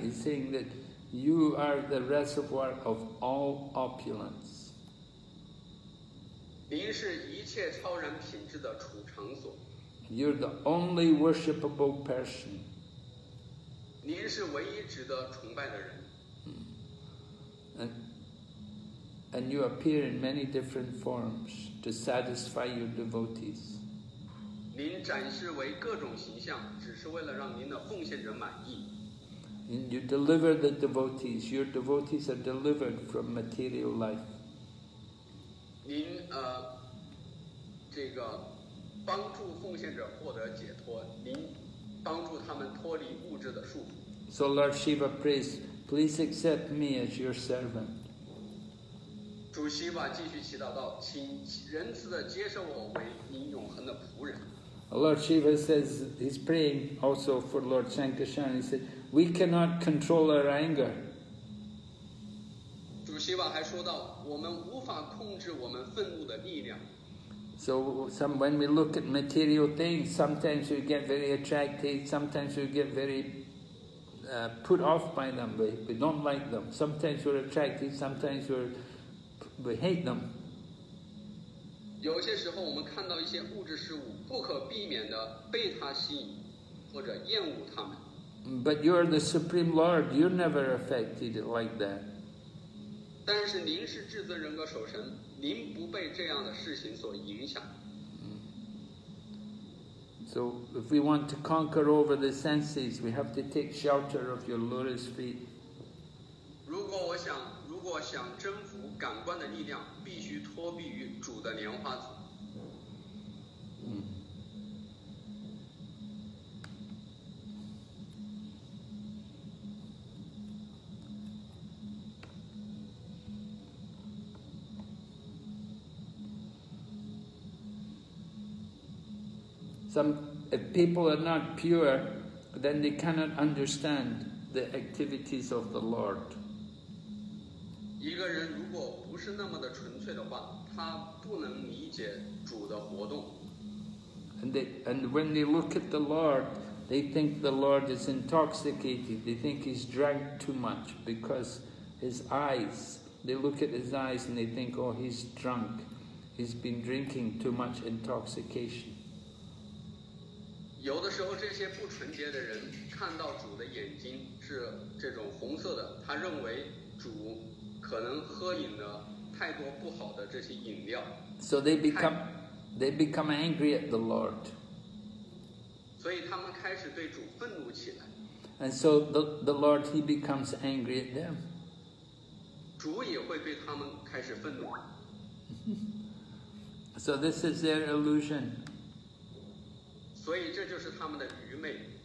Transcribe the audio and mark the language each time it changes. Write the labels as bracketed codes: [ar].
[en] He's saying that you are the reservoir of all opulence. [zh] 您是一切超然品质的储藏所。 [en] You're the only worshipable person. [zh] 您是唯一值得崇拜的人。 [en] And you appear in many different forms to satisfy your devotees. [zh] 您展示为各种形象，只是为了让您的奉献者满意。 [en] And you deliver the devotees. Your devotees are delivered from material life. [zh] 您这个帮助奉献者获得解脱，您帮助他们脱离物质的束缚。 [en] So Lord Shiva prays. Please accept me as your servant. [zh] 主西瓦继续祈祷道，请仁慈地接受我为您永恒的仆人。 [en] Lord Shiva says he's praying also for Lord Sankarshan. He said, "We cannot control our anger." [zh] 主西瓦还说道，我们无法控制我们愤怒的力量。 [en] So when we look at material things, sometimes you get very attracted, sometimes you get very put off by them, we don't like them. Sometimes we're attracted, sometimes we hate them. [zh] 有些时候我们看到一些物质事物，不可避免地被它吸引，或者厌恶它们。 [en] But you're the Supreme Lord, you're never affected like that. [zh] 但是您是至尊人格守神，您不被这样的事情所影响。 [en] So if we want to conquer over the senses, we have to take shelter of your lotus feet. [zh] 如果想征服感官的力量，必须托庇于主的莲花足。 [en] Some, if people are not pure, then they cannot understand the activities of the Lord. [zh] 一个人如果不是那么的纯粹的话，他不能理解主的活动。 [en] And when they look at the Lord, they think the Lord is intoxicated. They think he's drank too much because his eyes, they look at his eyes and they think, oh, he's drunk. He's been drinking too much intoxication. [zh] 有的时候这些不纯洁的人看到主的眼睛是这种红色的，他认为主可能喝饮了太多不好的这些饮料。 [en] So they become angry at the Lord. [zh] 所以他们开始对主愤怒起来。 [en] And so the Lord, he becomes angry at them. [zh] 主也会对他们开始愤怒。 [en] So this is their illusion. [zh] 所以这就是他们的愚昧。